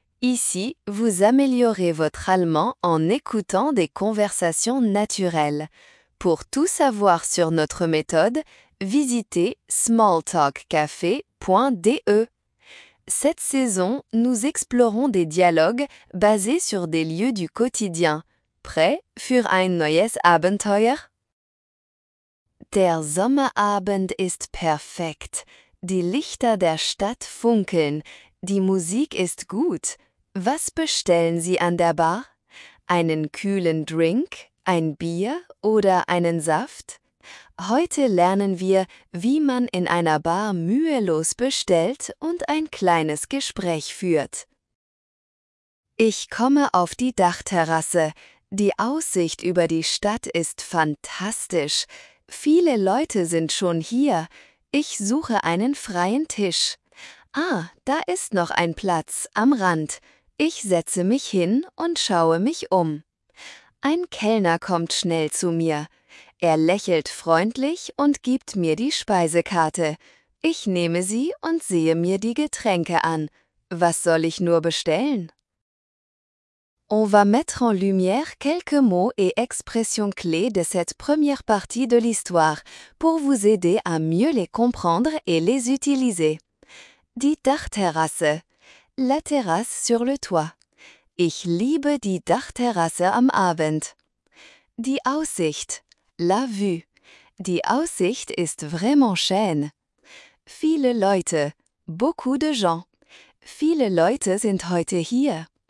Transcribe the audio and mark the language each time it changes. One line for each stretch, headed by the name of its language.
French: Ici, vous améliorez votre allemand en écoutant des conversations naturelles. Pour tout savoir sur notre méthode, visitez smalltalkcafe.de. Cette saison, nous explorons des dialogues basés sur des lieux du quotidien. Prêt
German: für ein neues Abenteuer? Der Sommerabend ist perfekt. Die Lichter der Stadt funkeln. Die Musik ist gut. Was bestellen Sie an der Bar? Einen kühlen Drink, ein Bier oder einen Saft? Heute lernen wir, wie man in einer Bar mühelos bestellt und ein kleines Gespräch führt. Ich komme auf die Dachterrasse. Die Aussicht über die Stadt ist fantastisch. Viele Leute sind schon hier. Ich suche einen freien Tisch. Ah, da ist noch ein Platz am Rand. Ich setze mich hin und schaue mich um. Ein Kellner kommt schnell zu mir. Er lächelt freundlich und gibt mir die Speisekarte. Ich nehme sie und sehe mir die Getränke an. Was soll ich nur bestellen?
French: On va mettre en lumière quelques mots et expressions clés de cette première partie de l'histoire pour vous aider à mieux les comprendre et les utiliser.
German: Die Dachterrasse.
French: La terrasse sur le toit.
German: Ich liebe die Dachterrasse am Abend. Die Aussicht.
French: La vue.
German: Die Aussicht ist
French: vraiment
German: schön. Viele Leute.
French: Beaucoup de gens.
German: Viele Leute sind heute hier.